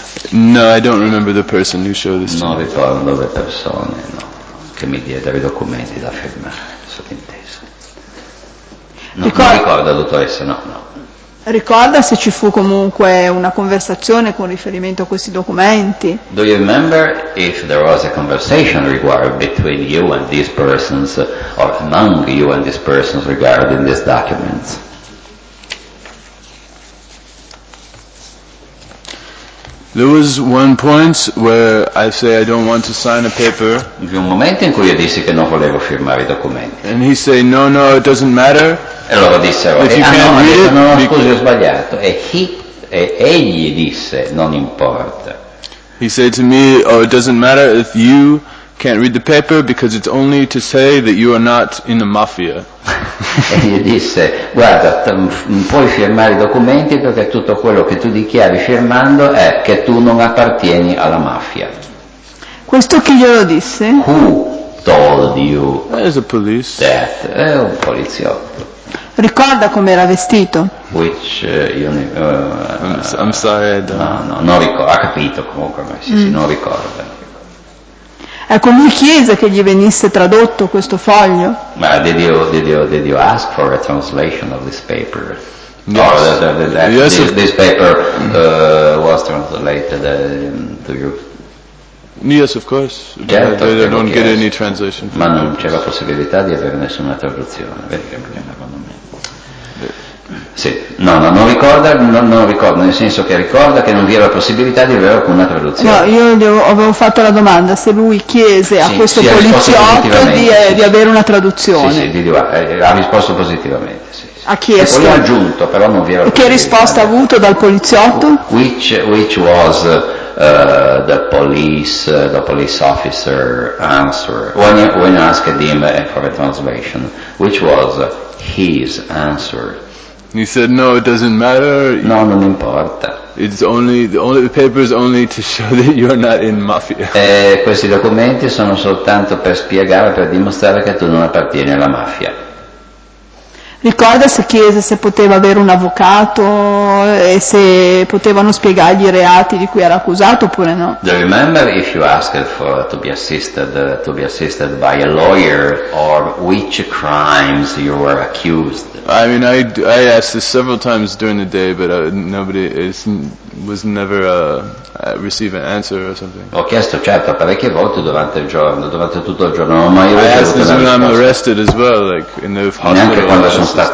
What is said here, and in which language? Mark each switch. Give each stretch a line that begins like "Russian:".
English: No, I don't remember the person who showed this to me.
Italian: Non ricordo le persone, no, che mi diedero i documenti da firmare, sottinteso. Non ricorda, dottoressa, no. Ricorda se ci fu comunque una conversazione con riferimento a questi documenti?
English: Do you remember if there was a conversation required between you and these persons, or among you and these persons regarding these documents? There was one point where I say I don't want to sign a paper.
Italian: Vi un momento in cui io dissi che non volevo firmare i documenti.
English: And he said, no, it doesn't matter.
Italian: E loro dissero, ho sbagliato. Egli disse, non importa.
English: He said to me, oh, it doesn't matter if you can't read the paper because it's only to say that you are not in the mafia.
Italian: E gli disse, guarda, puoi firmare i documenti perché tutto quello che tu dichiari firmando è che tu non appartieni alla mafia. Questo chi glielo disse?
English: Who told you? There's a police.
Italian: That. È un poliziotto. Ricorda come era vestito?
English: Which I'm sorry, I don't.
Italian: No, non ricordo, ha capito comunque, ma sì, non ricorda. Ecco, lui chiese che gli venisse tradotto questo foglio.
English: Ma did you ask for a translation of this paper? Yes. Or this paper was translated to you? Yes, of course.
Italian: Certo,
English: I don't get any translation.
Italian: Ma non c'è la possibilità di avere nessuna traduzione. Sì, non ricordo, nel senso che ricorda che non vi era la possibilità di avere alcuna traduzione. No, io avevo fatto la domanda se lui chiese a questo poliziotto di avere una traduzione. Sì, ha risposto positivamente, sì. Ha chiesto. E poi ha aggiunto, però non vi era. E che risposta ha avuto dal poliziotto?
English: Which was the police officer answer when you asked him for a translation, which was his answer? He said, no, it doesn't matter.
Italian: No, non importa.
English: It's only, the paper is only to show that you're not in mafia.
Italian: Questi documenti sono soltanto per spiegare, per dimostrare che tu non appartieni alla mafia. Ricorda se chiese se poteva avere un avvocato e se potevano spiegargli i reati di cui era accusato oppure no?
English: Do you remember if you asked for to be assisted by a lawyer or which crimes you were accused? I mean, I asked this several times during the day, but nobody was never receive an answer or something.
Italian: Ho chiesto certo parecchie volte durante tutto il giorno, ma mai ricevuto.
English: I asked this when I'm arrested as well, like in the hospital.